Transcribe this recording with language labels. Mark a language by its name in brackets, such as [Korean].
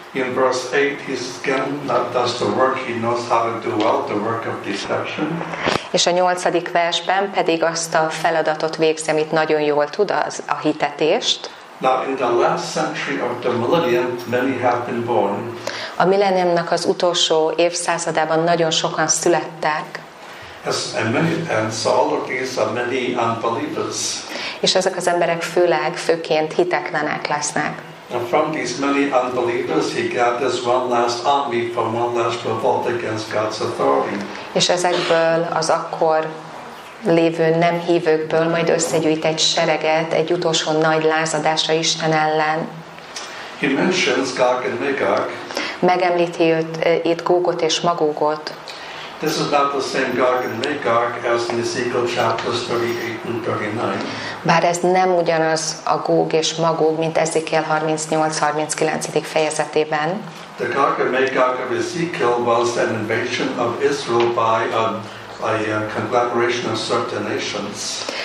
[English] In verse 8, he's again not does the work he knows how to do well, the work of deception. [Hungarian] És a nyolcadik versben pedig azt a feladatot végzi, amit nagyon jól tud, az a hitetést. [English] Now in the last century of the millennium, many have been born. [Hungarian] A millenniumnak az utolsó évszázadában nagyon sokan születtek. [English] Yes, and so all of these are many unbelievers. [Hungarian] És ezek az emberek főleg, főként hiteklenek lesznek. [English] And from these many unbelievers, he gathers one last army for one last revolt against God's authority. [Hungarian] És ezekből az akkor lévő nem hívőkből majd összegyűjt egy sereget, egy utolsó nagy lázadásra Isten ellen. [English] He mentions Gog and Magog. [Hungarian] Megemlíti őt, itt Gógot és Magógot. [English] This is not the same Gog and Magog as in Ezekiel chapters 38 and 39. [Hungarian] Bár ez nem ugyanaz a Gog és Magog, mint Ezekiel 38-39. Fejezetében. [English] The Gog and Magog of Ezekiel was an invasion of Israel by a conglomeration of certain nations.